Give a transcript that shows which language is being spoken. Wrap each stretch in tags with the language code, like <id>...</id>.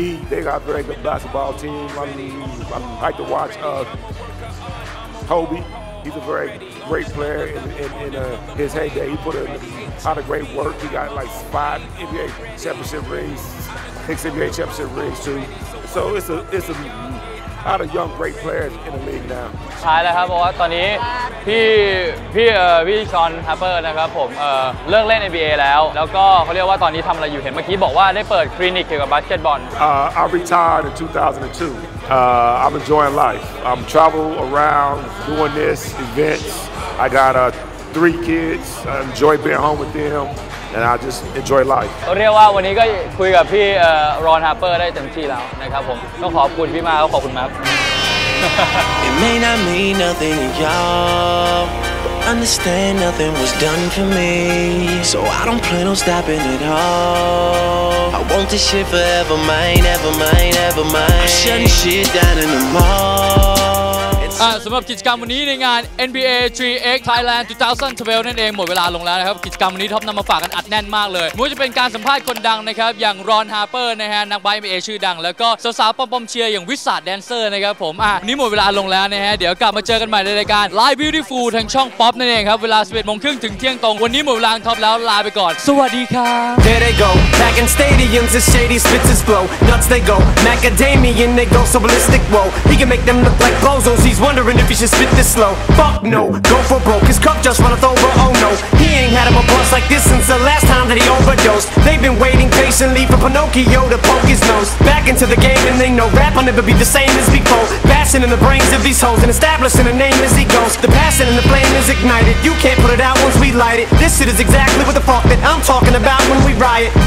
<en>They got a very good basketball team. I like to watch Kobe. He's a very great player in his heyday. He put in a lot of great work. He got like 5 NBA championship rings, 6 NBA championship rings too. So it's a lot of young great players in the league now.</en> <th>ท้ายแล้วครับเพราะว่าตอนนี้พี่ชอนฮาร์เปอร์นะครับผมเลิกเล่น NBA แล้วก็เขาเรียกว่าตอนนี้ทำอะไรอยู่เห็นเมื่อกี้บอกว่าได้เปิดคลินิกเกี่ยวกับบาสเกตบอล</th> <en>I retired in 2002 I'm enjoying life I'm travel around doing this events I got three kids. I enjoy being home with them, and I just enjoy life.</en> <th>เรียกว่าวันนี้ก็คุยกับพี่รอนฮาร์เปอร์ได้เต็มที่แล้วนะครับผมต้องขอบคุณพี่มากขอบคุณมาก</th> <en>It may not mean nothing to y'all Understand nothing was done for me So I don't plan on stopping at all I want this shit forever mine, ever mine, ever mine I shut this shit down in the mall</en> <th>สำหรับกิจกรรมวันนี้ในงาน NBA 3X Thailand 2012นั่นเองหมดเวลาลงแล้วนะครับกิจกรรมวันนี้ท็อปนำมาฝากกันอัดแน่นมากเลยไม่ว่าจะเป็นการสัมภาษณ์คนดังนะครับอย่างรอนฮาร์เปอร์นะฮะนักบาส NBA ชื่อดังแล้วก็สาวๆปอมปอมเชียร์อย่างวิสาดแดนเซอร์นะครับผมนี่หมดเวลาลงแล้วนะฮะเดี๋ยวกลับมาเจอกันใหม่ในรายการ Live Beautiful ทางช่อง Pop นั่นเองครับเวลา 11:30 น. ถึงเที่ยงตรงวันนี้หมดเวลาท็อปแล้วลาไปก่อนสวัสดีครับ</th> <en>There they go back in stadiums is shady spits is blow nuts they go macadamia and they go so ballistic whoa he can make them look like bozos he'sWondering if he should spit this slow Fuck no, go for broke His cup just runneth over, oh no He ain't had him a buzz like this Since the last time that he overdosed They've been waiting patiently For Pinocchio to poke his nose Back into the game and they know Rap will never be the same as before Bashing in the brains of these hoes And establishing a name as he goes The passion and the flame is ignited You can't put it out once we light it This shit is exactly what the fuck That I'm talking about when we riot</en>